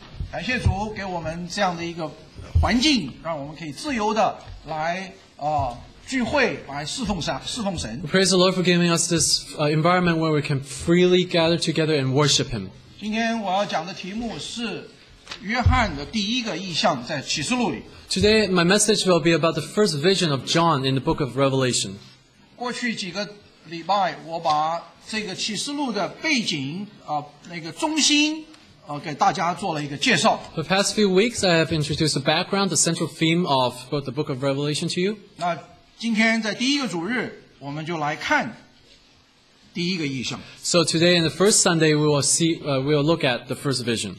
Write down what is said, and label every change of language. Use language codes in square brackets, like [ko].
[zh] 感谢主给我们这样的一个环境，让我们可以自由的来聚会，来侍奉神。 [en] Praise the Lord for giving us this environment where we can freely gather together and worship Him. [zh] 今天我要讲的题目是约翰的第一个异象，在启示录里。 [en] Today, my message will be about the first vision of John in the book of Revelation. [zh] 过去几个礼拜，我把这个启示录的背景那个中心给大家做了一个介绍。 [en] The past few weeks, I have introduced the background, the central theme of both the book of Revelation to you. [zh] 那今天在第一个主日，我们就来看第一个异象。 [en] So today, in the first Sunday, we will look at the first vision.